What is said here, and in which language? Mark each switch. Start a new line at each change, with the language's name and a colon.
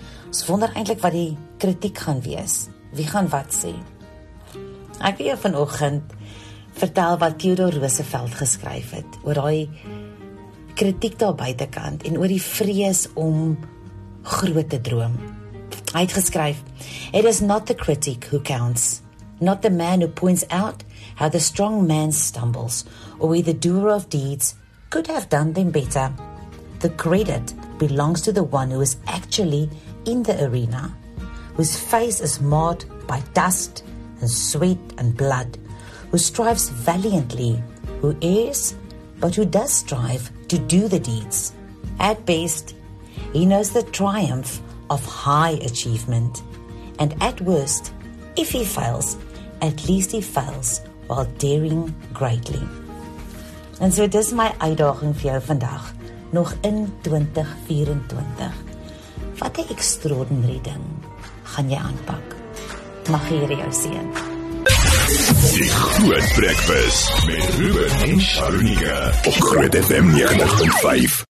Afrikaans: Ons wonder eintlik wat die kritiek gaan wees. Wie gaan wat sê? Ek wil jou vanoggend vertel wat Theodore Roosevelt geskryf het oor daai kritiek daar buitekant en oor die vrees om groot te droom. Hy het geskryf:
English: "It is not the critic who counts, not the man who points out how the strong man stumbles, or where the doer of deeds could have done them better. The credit belongs to the one who is actually in the arena, whose face is marred by dust and sweat and blood, who strives valiantly, who errs, but who does strive to do the deeds. At best, he knows the triumph of high achievement, and at worst, if he fails, at least he fails while daring greatly."
Afrikaans: En so dis my uitdaging vir jou vandag, nog in 2024. Wat 'n extraordinary ding gaan jy aanpak? Mag hier jou seën. Die Groot Breakfast met Ruben en Sharunika op Groot FM 90.5.